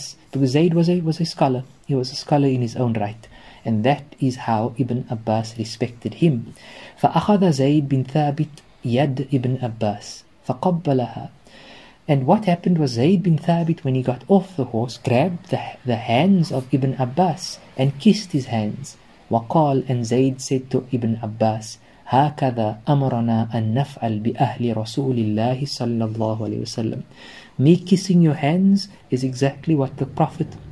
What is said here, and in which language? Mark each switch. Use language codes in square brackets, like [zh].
[en] Because Zayd was a scholar. He was a scholar in his own right. And that is how Ibn Abbas respected him. [ar] فَأَخَذَ زَيْد بِنْ ثَابِتْ يَدْ Ibn Abbas فَقَبَّلَهَا. [en] And what happened was Zayd bin Thabit, when he got off the horse, grabbed the hands of Ibn Abbas and kissed his hands. [ar] وَقَالَ, [en] and Zayd said to Ibn Abbas, [ar] هَكَذَا أَمَرَنَا أَن نَفْعَلْ بِأَهْلِ رَسُولِ اللَّهِ صَلَّى اللَّهُ عَلَيْهِ وَسَلَّمُ. [en] Me kissing your hands is exactly what the Prophet